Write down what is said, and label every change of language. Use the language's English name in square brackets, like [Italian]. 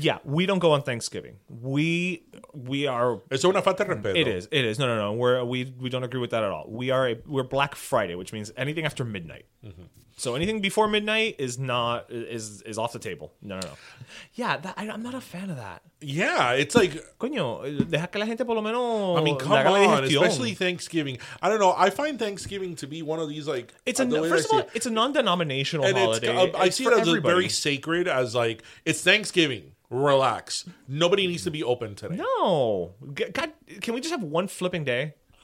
[English] Yeah, we don't go on Thanksgiving. We are... [Spanish] Es una falta de respeto. [English] It is. No. We don't agree with that at all. We're Black Friday, which means anything after midnight. Mm-hmm. So anything before midnight is off the table. No. Yeah, I'm not a fan of that. Yeah, it's like... [Spanish] Coño, deja que la gente por lo menos... [English] I mean, come on, especially Thanksgiving. I don't know. I find Thanksgiving to be one of these like... It's a non-denominational holiday. I see it as very sacred, as like, it's Thanksgiving. Relax. Nobody needs to be open today. No. God, can we just have one flipping day?